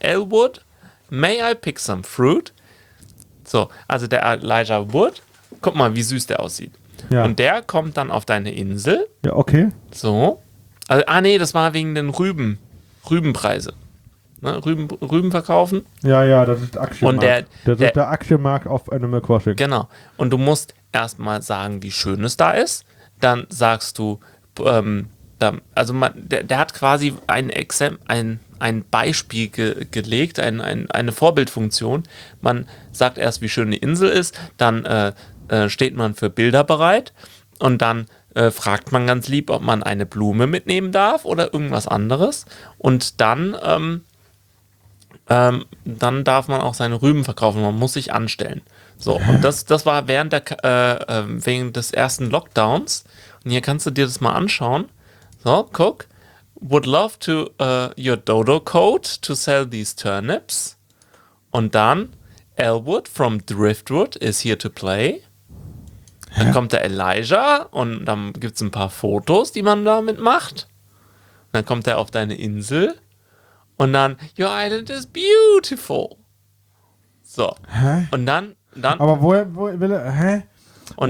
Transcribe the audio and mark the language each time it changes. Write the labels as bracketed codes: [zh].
[en] Elwood, may I pick some fruit? [de] So, also der Elijah Wood. Guck mal, wie süß der aussieht. Ja. Und der kommt dann auf deine Insel. Ja, okay. So. Also, nee, das war wegen den Rüben. Rübenpreise. Ne? Rüben verkaufen. Ja, das ist Aktienmarkt. Und der, das ist der Aktienmarkt auf Animal Crossing. Genau. Und du musst erstmal sagen, wie schön es da ist. Dann sagst du, der hat quasi ein Beispiel gelegt, eine Vorbildfunktion. Man sagt erst, wie schön die Insel ist, dann steht man für Bilder bereit und dann fragt man ganz lieb, ob man eine Blume mitnehmen darf oder irgendwas anderes. Und dann, dann darf man auch seine Rüben verkaufen, man muss sich anstellen. So, und das war während der wegen des ersten Lockdowns. Und hier kannst du dir das mal anschauen. So, guck. [en] Would love to your Dodo code to sell these turnips. [de] Und dann [en] Elwood from Driftwood is here to play. [de] Dann kommt der Elijah und dann gibt es ein paar Fotos, die man damit macht. Und dann kommt er auf deine Insel und dann, [en] your island is beautiful. [de] So. Hä? Und dann aber woher will er, hä? Und